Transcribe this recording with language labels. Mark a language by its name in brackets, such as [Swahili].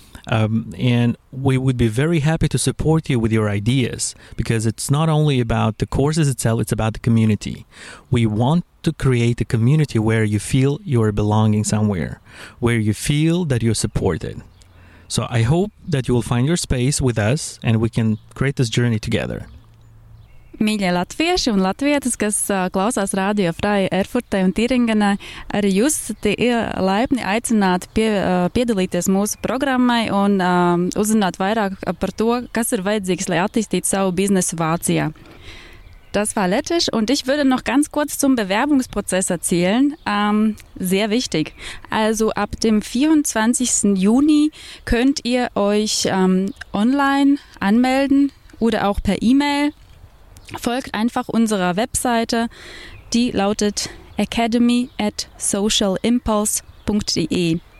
[English] And we would be very happy to support you with your ideas, because it's not only about the courses itself, it's about the community. We want to create a community where you feel you're belonging somewhere, where you feel that you're supported. So I hope that you will find your space with us and we can create this journey together. [Latvian] Mīļie latvieši un latvietes, kas klausās Radio Freie Erfurtē un Tīringenē, arī jūs esat laipni aicināti piedalīties mūsu programmai un uzzināt vairāk par to, kas ir vajadzīgs, lai attīstītu savu biznesu Vācijā. [German] Das war lettisch und ich würde noch ganz kurz zum Bewerbungsprozess erzählen. Sehr wichtig. Also ab dem 24. Juni könnt ihr euch online anmelden oder auch per E-Mail. Folgt einfach unserer Webseite, die lautet academy@socialimpulse.de.